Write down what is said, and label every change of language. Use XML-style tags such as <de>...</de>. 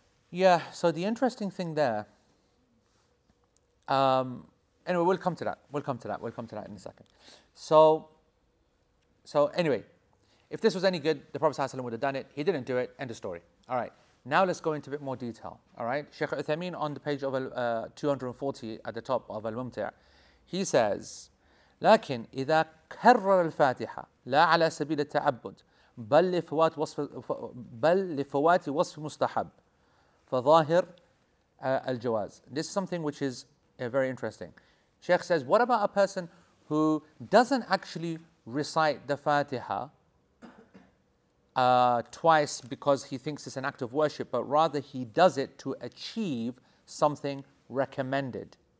<en>Yeah, so the interesting thing there, anyway, we'll come to that in a second. So anyway, if this was any good, the Prophet ﷺ would have done it. He didn't do it, end of story. All right, now let's go into a bit more detail. All right, Sheikh Uthaymeen on the page of 240 at the top of Al-Mumti'ah, he says,</en> <ar>لكن إذا كرر الفاتحة لا على سبيل التعبد بل لفوات وصف مستحب فظاهر الجواز.</ar> <en>This is something which is very interesting. Sheikh says, what about a person who doesn't actually recite the Fatiha twice because he thinks it's an act of worship, but rather he does it to achieve something recommended.</en>